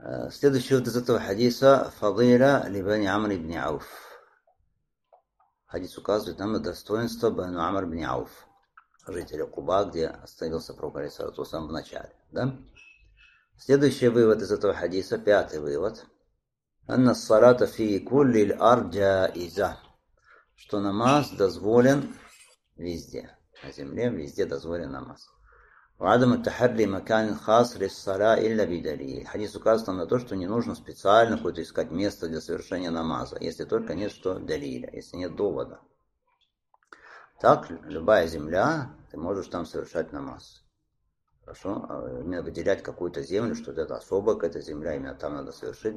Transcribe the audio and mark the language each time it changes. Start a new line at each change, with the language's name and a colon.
Russian: Следующий вот из этого хадиса
Arabic: Фадыля ли Бани Амр ибн Ауф.
Russian: Хадис указывает нам на достоинство Бану Амр ибн Ауф, жителя Куба, где остановился пророк алейхиссалату вассалям в начале. Да? Следующий вывод из этого хадиса, пятый вывод.
Arabic: أن الصلاة في كل الأرض جائزة.
Russian: Что намаз дозволен везде. На земле везде дозволен намаз.
Arabic: وعدم التحري مكان خاص للصلاة إلا بدليل.
Russian: Хадис указывает на то, что не нужно специально какое-то искать место для совершения намаза, если только нет что далиля, если нет довода. Так, любая земля, ты можешь там совершать намаз. Хорошо? Именно выделять какую-то землю, что это особо, какая-то земля, именно там надо совершить.